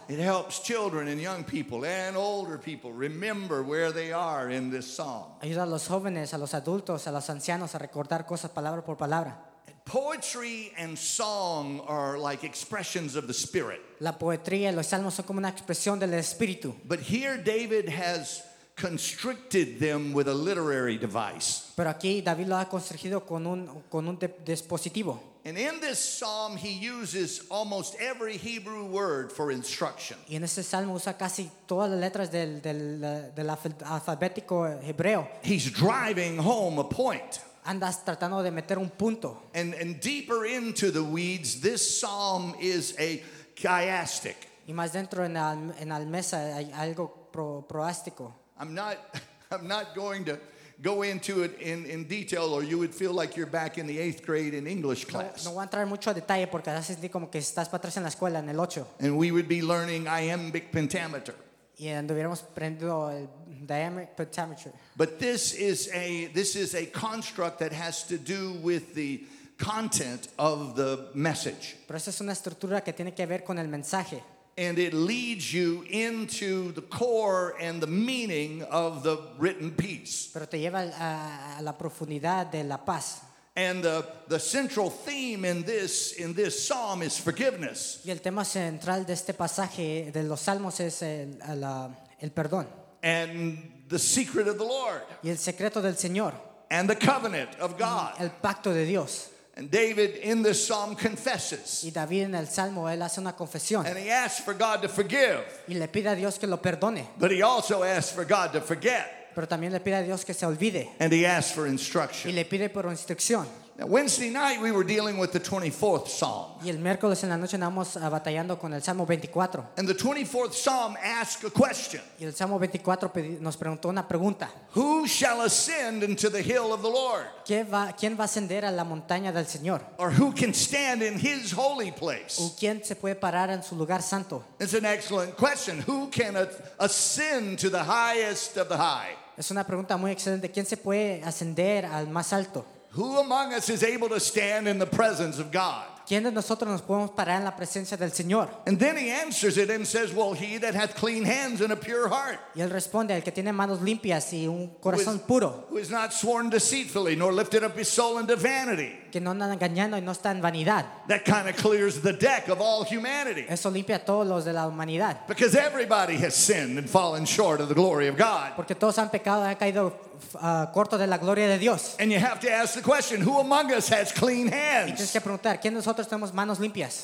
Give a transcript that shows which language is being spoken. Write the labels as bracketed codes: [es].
[en] It helps children and young people and older people remember where they are in this psalm. [es] Ayuda a los jóvenes, a los adultos, a los ancianos a recordar cosas palabra por palabra. [en] Poetry and song are like expressions of the spirit. [es] La poetría y los salmos son como una expresión del espíritu. [en] But here David has constricted them with a literary device. [es] Pero aquí David lo ha constringido con un dispositivo. [en] And in this psalm he uses almost every Hebrew word for instruction. [es] Y en este salmo usa casi todas las letras del alfabético hebreo. [en] He's driving home a point. [es] Andas tratando de meter un punto. [en] And deeper into the weeds, this psalm is a chiastic. [es] Y más dentro en la mesa hay algo proástico. [en] I'm not going to go into it in detail, or you would feel like you're back in the eighth grade in English class. [es] No voy a entrar mucho a detalle porque vas a sentir como que estás para atrás en la escuela en el ocho. [en] And we would be learning iambic pentameter. [es] Y anduviéramos aprendiendo el diameter pentameter. [en] But this is a construct that has to do with the content of the message. [es] Pero esa es una estructura que tiene que ver con el mensaje. [en] And it leads you into the core and the meaning of the written piece. [es] Pero te lleva a la profundidad de la paz. [en] And the central theme in this psalm is forgiveness. [es] Y el tema central de este pasaje de los salmos es el perdón. [en] And the secret of the Lord. [es] Y el secreto del Señor. [en] And the covenant of God. [es] Y el pacto de Dios. [en] And David in this psalm confesses. [es] Y David en el salmo él hace una confesión. [en] And he asks for God to forgive. [es] Y le pide a Dios que lo perdone. [en] But he also asks for God to forget. [es] Pero también le pide a Dios que se olvide. [en] And he asks for instruction. [es] Y le pide por instrucción. [en] Now, Wednesday night we were dealing with the 24th Psalm. [es] Y el miércoles en la noche andamos batallando con el Salmo 24. [en] And the 24th Psalm asked a question. [es] Y el Salmo 24 nos preguntó una pregunta. [en] Who shall ascend into the hill of the Lord? [es] ¿Quién va a ascender a la montaña del Señor? [en] Or who can stand in his holy place? [es] ¿O quién se puede parar en su lugar santo? [en] It's an excellent question. Who can ascend to the highest of the high? [es] Es una pregunta muy excelente. ¿Quién se puede ascender al más alto? [en] Who among us is able to stand in the presence of God? [es] ¿Quién de nosotros nos podemos parar en la presencia del Señor? [en] And then he answers it and says, "Well, he that hath clean hands and a pure heart." [es] Y él responde, el que tiene manos limpias y un corazón puro. [en] Who has not sworn deceitfully, nor lifted up his soul into vanity. [es] Que no andan engañando y no están en vanidad. [en] That kind of clears the deck of all humanity. [es] Eso limpia a todos los de la humanidad. [en] Because everybody has sinned and fallen short of the glory of God. [es] Porque todos han pecado y han caído corto de la gloria de Dios. [en] And you have to ask the question, who among us has clean hands? [es] Y tienes que preguntar, ¿quién de nosotros tenemos manos limpias?